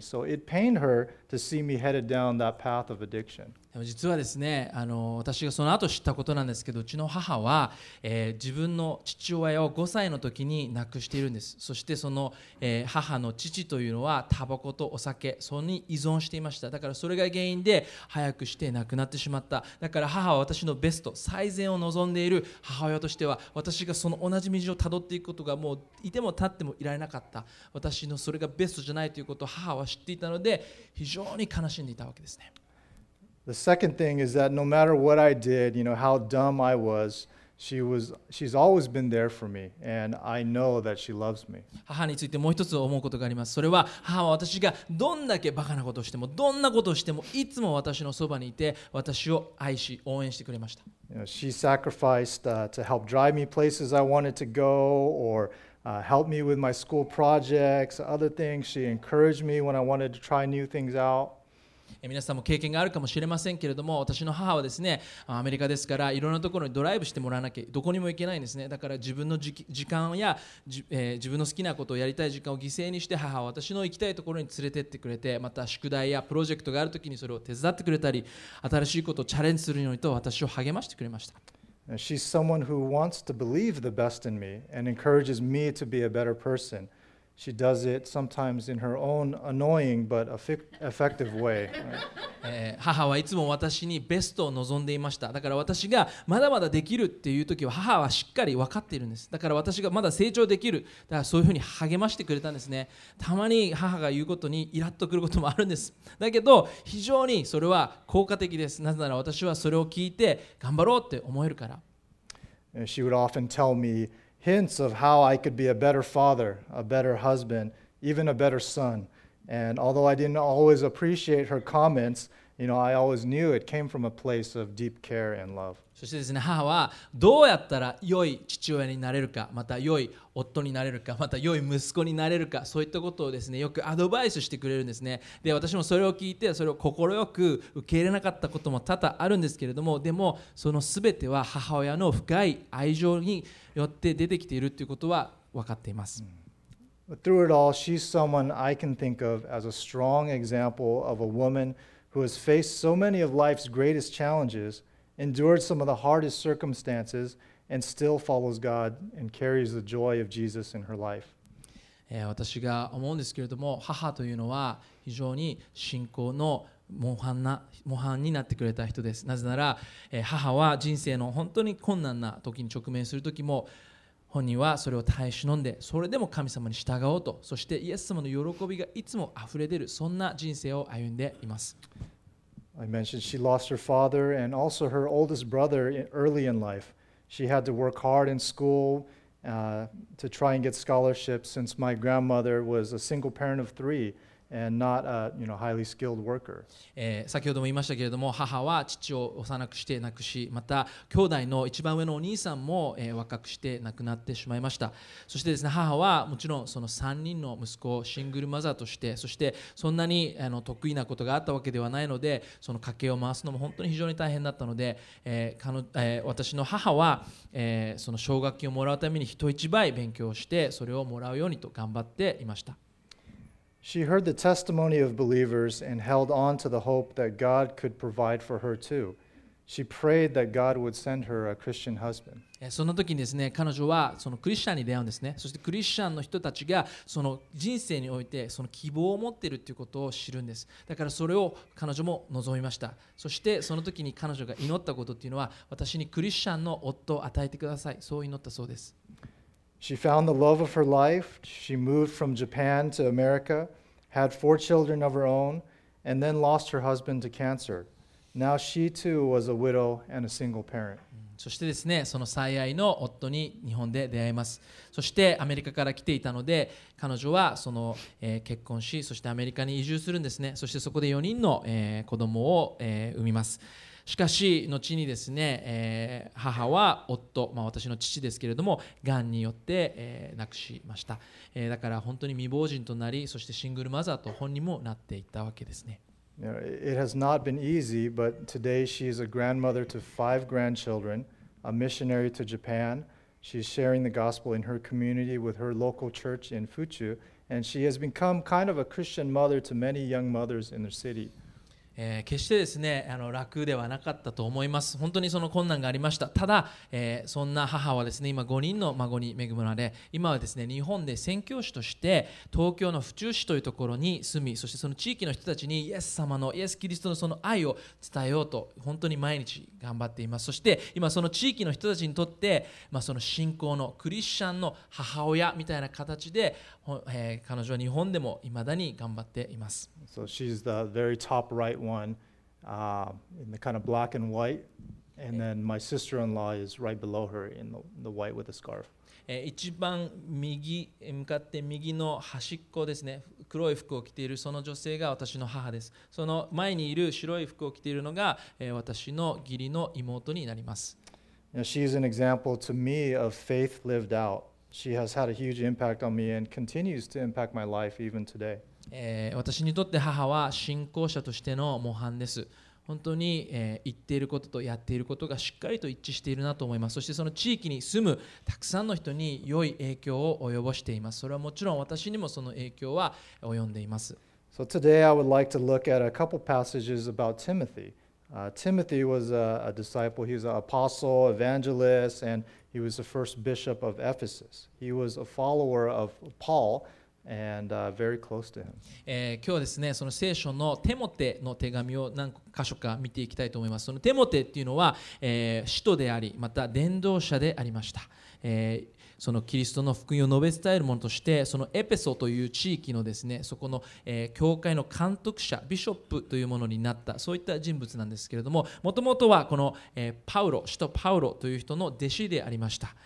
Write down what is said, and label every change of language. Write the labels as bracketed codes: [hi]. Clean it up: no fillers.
[en] So it pained her to see me headed down that path of addiction. [ja] でも実はですね、私がその後知ったことなんですけど、うちの母は、自分の父親を5歳の時に亡くしているんです。そしてその、母の父というのはタバコとお酒、それに依存していました。だからそれが原因で早くして亡くなってしまった。だから母は私のベスト、最善を望んでいる母親としては、私がその同じ道をたどっていくことがもういても立ってもいられなかった。私のそれがベストじゃないということを母は知っていたので、非常に悲しんでいたわけですね。 [en] The second thing is that no matter what I did, you know, how dumb I was, she's always been there for me, and I know that she loves me. [ja] 母についてもう一つ思うことがあります。それは母は私がどんだけバカなことをしても、どんなことをしても、いつも私のそばにいて、私を愛し、応援してくれました。 [en] You know, she sacrificed to help drive me places I wanted to go, or help me with my school projects, other things. She encouraged me when I wanted to try new things out. [ja] 皆さんも経験があるかもしれませんけれども、私の母はですね、アメリカですから、いろんなところにドライブしてもらわなきゃ、どこにも行けないんですね。だから自分の時間や、自分の好きなことをやりたい時間を犠牲にして、母は私の行きたいところに連れてってくれて、また宿題やプロジェクトがあるときにそれを手伝ってくれたり、新しいことをチャレンジするようにと私を励ましてくれました。 [en] She's someone who wants to believe the best in me and encourages me to be a better person. She does it sometimes in her own annoying but effective way. [ja] 母はいつも私にベストを望んでいました。だから私がまだまだできるっていう時は母はしっかり分かっているんです。だから私がまだ成長できる。だからそういうふうに励ましてくれたんですね。たまに母が言うことにイラッとくることもあるんです。だけど非常にそれは効果的です。なぜなら私はそれを聞いて頑張ろうって思えるから。 [en] She would often tell me hints of how I could be a better father, a better husband, even a better son. And although I didn't always appreciate her comments, you know, I always knew it came from a place of deep care and love. [ja] そしてですね、母はどうやったら良い父親になれるか、また良い夫になれるか、また良い息子になれるか、そういったことをですね、よくアドバイスしてくれるんですね。で、私もそれを聞いて、それを心よく受け入れなかったことも多々あるんですけれども、でもそのすべては母親の深い愛情によって出てきているということは分かっています。 [en] But through it all, she's someone I can think of as a strong example of a woman who has faced so many of life's greatest challenges, endured some of the hardest circumstances, and still follows God and carries the joy of Jesus in her life. [ja] 私が思うんですけれども、母というのは非常に信仰の模範になってくれた人です。なぜなら、母は人生の本当に困難な時に直面する時も、本人はそれを耐え忍んで、それでも神様に従おうと、そしてイエス様の喜びがいつも溢れ出る、そんな人生を歩んでいます。 [en] I mentioned she lost her father and also her oldest brother early in life. She had to work hard in school, to try and get scholarships since my grandmother was a single parent of three. And not a, you know, highly skilled worker. [ja] 先ほども言いましたけれども、母は父を幼くして亡くし、また兄弟の一番上のお兄さんも、若くして亡くなってしまいました。そしてですね、母はもちろんその3人の息子をシングルマザーとして、そしてそんなに得意なことがあったわけではないので、その家計を回すのも本当に非常に大変だったので、私の母は、その奨学金をもらうために人一倍勉強して、それをもらうようにと頑張っていました。 [en] She heard the testimony of believers and held on to the hope that God could provide for her too. She prayed that God would send her a Christian husband. [ja] そんな時にですね、彼女はそのクリスチャンに出会うんですね。そしてクリスチャンの人たちがその人生においてその希望を持っているということを知るんです。だからそれを彼女も望みました。そしてその時に彼女が祈ったことっていうのは、私にクリスチャンの夫を与えてください。そう祈ったそうです。 [en] She found the love of her life. She moved from Japan to America, had four children of her own, and then lost her husband to cancer. Now she too was a widow and a single parent. [ja] そしてですね、その最愛の夫に日本で出会います。そしてアメリカから来ていたので、彼女はその、結婚し、そしてアメリカに移住するんですね。そしてそこで4人の、子供を、産みます。しかし後にですね、母は夫、まあ、私の父ですけれども、がんによって、亡くしました、だから本当に未亡人となり、そしてシングルマザーと本人もなっていったわけですね。 [en] It has not been easy, but today she is a grandmother to five grandchildren, a missionary to Japan. She's sharing the gospel in her community with her local church in Fuchu, and she has become kind of a Christian mother to many young mothers in the city. [ja] 決してですね、楽ではなかったと思います。本当にその困難がありました。ただ、そんな母はですね、今5人の孫に恵まれ、今はですね、日本で宣教師として東京の府中市というところに住み、そしてその地域の人たちにイエス様のイエスキリストのその愛を伝えようと本当に毎日頑張っています。そして今その地域の人たちにとって、まあ、その信仰のクリスチャンの母親みたいな形で、彼女は日本でも未だに頑張っています。 [en] So she's the very top right one, in the kind of black and white. And then my sister-in-law is right below her in the white with a scarf. [ja] 一番右向かって右の端っこですね。黒い服を着ているその女性が私の母です。その前にいる白い服を着ているのが、私の義理の妹になります。 [en] Now she's an example to me of faith lived out. She has had a huge impact on me and continues to impact my life even today. [ja] 私にとって母は信仰者としての模範です。本当に、言っていることとやっていることがしっかりと一致しているなと思います。そしてその地域に住むたくさんの人に良い影響を及ぼしています。それはもちろん私にもその影響は及んでいます。 [en] So today I would like to look at a couple passages about Timothy. Timothy was a disciple. He was an apostle, evangelist, and he was the first bishop of Ephesus. He was a follower of Paul. And, very close to him. [ja] 今日はですね、その聖書のテモテの手紙を何箇所か見ていきたいと思います。そのテモテっていうのは、使徒であり、また伝道者でありました。そのキリストの福音を述べ伝えるものとして、そのエペソという地域のですね、そこの、教会の監督者、ビショップというものになった、そういった人物なんですけれども、もともとはこの、パウロ、使徒パウロという人の弟子でありました。